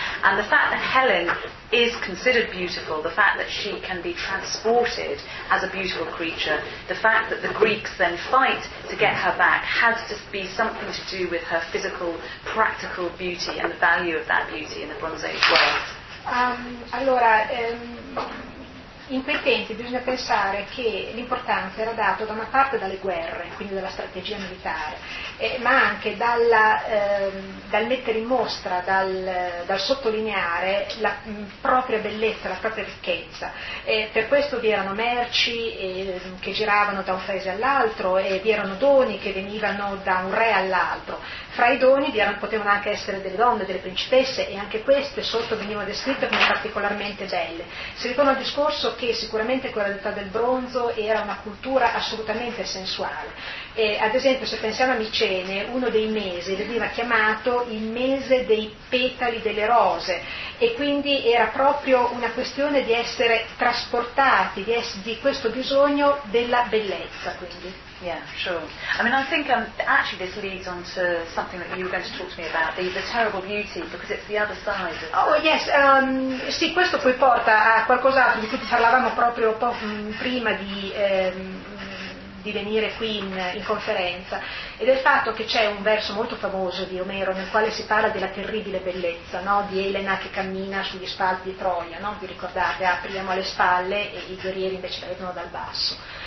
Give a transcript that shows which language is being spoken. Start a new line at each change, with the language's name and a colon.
English: And the fact that Helen is considered beautiful, the fact that she can be transported as a beautiful creature, the fact that the Greeks then fight to get her back, has to be something to do with her physical, practical beauty and the value of that beauty in the Bronze Age world.
Italian: In quei tempi bisogna pensare che l'importanza era data da una parte dalle guerre, quindi dalla strategia militare, ma anche dal mettere in mostra, dal sottolineare la propria bellezza, la propria ricchezza. Per questo vi erano merci che giravano da un paese all'altro e vi erano doni che venivano da un re all'altro. Fra i doni potevano anche essere delle donne, delle principesse, e anche queste sotto venivano descritte come particolarmente belle. Si ritorna al discorso che sicuramente quella dell'età del bronzo era una cultura assolutamente sensuale. E, ad esempio, se pensiamo a Micene, uno dei mesi veniva chiamato il mese dei petali delle rose, e quindi era proprio una questione di essere trasportati, di questo bisogno della bellezza, quindi.
English: Yeah, sure. I mean, I think actually this leads on to something that you were going to talk to me about, the terrible beauty, because it's the other side.
Italian: Sì, questo poi porta a qualcos'altro di cui parlavamo proprio prima di venire qui in conferenza, ed è il fatto che c'è un verso molto famoso di Omero nel quale si parla della terribile bellezza, no? Di Elena che cammina sugli spalti di Troia, no? Vi ricordate, apriamo le spalle e i guerrieri invece la vedono dal basso.